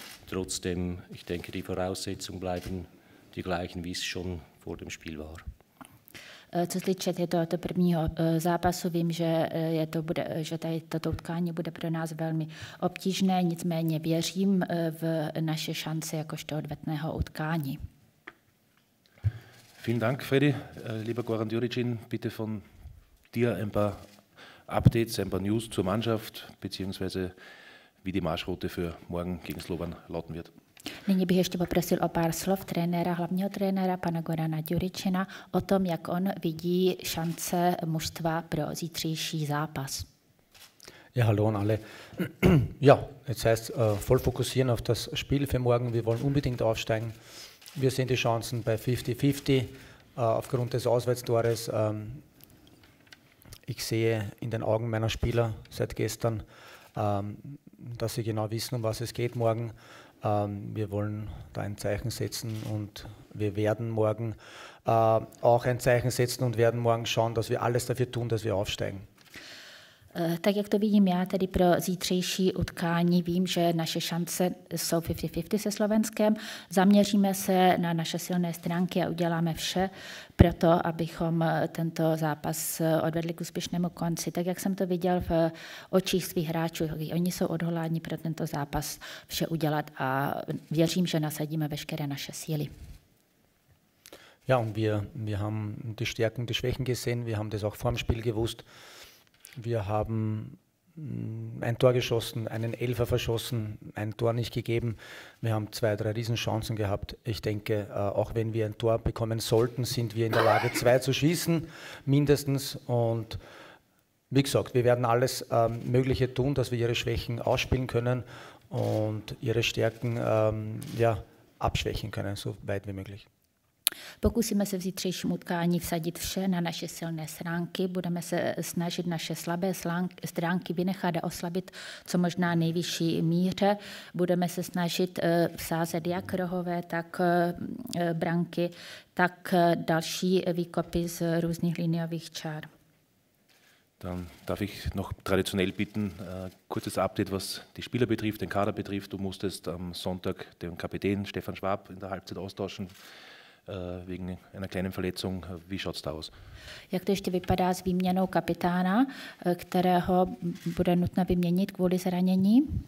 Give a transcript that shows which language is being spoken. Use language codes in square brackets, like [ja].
[de] Trotzdem, ich denke, die Voraussetzungen bleiben die gleichen, wie es schon vor dem Spiel war. [cs] Co se týče tohoto prvního zápasu, vím, že tady toto utkání bude pro nás velmi obtížné, nicméně věřím v naše šance jakožto odvetného utkání. [de] Vielen Dank, Freddy. Lieber Goran Djuricin, bitte von dir ein paar Updates, ein paar News zur Mannschaft, beziehungsweise wie die Marschroute für morgen gegen Slovan lauten wird. [cs] Nyní bych ještě poprosil o pár slov trenéra, hlavního trenéra, pana Gorana Djuricina, o tom, jak on vidí šance mužstva pro zítřejší zápas. [de] Ja, hallo an alle. Ja, jetzt heißt voll fokussieren auf das Spiel für morgen. Wir wollen unbedingt aufsteigen. Wir sehen die Chancen bei 50-50 aufgrund des Auswärtstores. Ich sehe in den Augen meiner Spieler seit gestern, dass sie genau wissen, um was es geht morgen. Wir wollen da ein Zeichen setzen und wir werden morgen auch ein Zeichen setzen und werden morgen schauen, dass wir alles dafür tun, dass wir aufsteigen. [cs] Tak jak to vidím já tedy pro zítřejší utkání, vím, že naše šance jsou 50-50 se Slovenskem. Zaměříme se na naše silné stránky a uděláme vše pro to, abychom tento zápas odvedli k úspěšnému konci. Tak jak jsem to viděl v očích svých hráčů, oni jsou odhodláni pro tento zápas vše udělat a věřím, že nasadíme veškeré naše síly. [de] Ja, und wir haben die Stärken, die Schwächen gesehen, wir haben das auch vor dem Spiel gewusst. Wir haben ein Tor geschossen, einen Elfer verschossen, ein Tor nicht gegeben. Wir haben zwei, drei Riesenchancen gehabt. Ich denke, auch wenn wir ein Tor bekommen sollten, sind wir in der Lage, zwei zu schießen, mindestens. Und wie gesagt, wir werden alles Mögliche tun, dass wir ihre Schwächen ausspielen können und ihre Stärken abschwächen können, so weit wie möglich. [cs] Pokusíme se v zítřejším utkání vsadit vše na naše silné stránky, budeme se snažit naše slabé stránky vynechat a oslabit co možná nejvyšší míře, budeme se snažit vsázet jak rohové, tak branky, tak další výkopy z různých liniových čár. [de] Dann darf ich noch traditionell bitten, kurzes Update, was die Spieler betrifft, den Kader betrifft. Du musstest am Sonntag den Kapitän Stefan Schwab in der Halbzeit austauschen. Wegen einer kleinen Verletzung. Wie schaut es da aus? [cs] Jak to ještě vypadá s výměnou kapitána, kterého bude nutno vyměnit kvůli zranění?